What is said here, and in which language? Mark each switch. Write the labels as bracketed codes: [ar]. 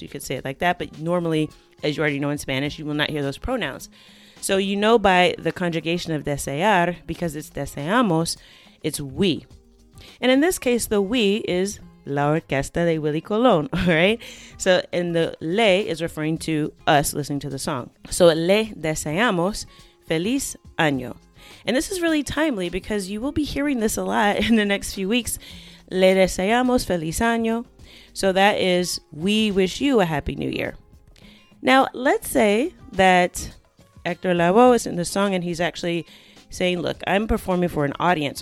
[en] You could say it like that, but normally, as you already know in Spanish, you will not hear those pronouns. So you know by the conjugation of desear, because it's deseamos, it's we. And in this case, the we is [es] la orquesta de Willy Colón, [en] all right? So, and the le is referring to us listening to the song. [es] So le deseamos feliz año. [en] And this is really timely because you will be hearing this a lot in the next few weeks. [es] Le deseamos feliz año. [en] So that is, we wish you a happy new year. Now, let's say that Hector Lavoe is in the song and he's actually saying, look, I'm performing for an audience.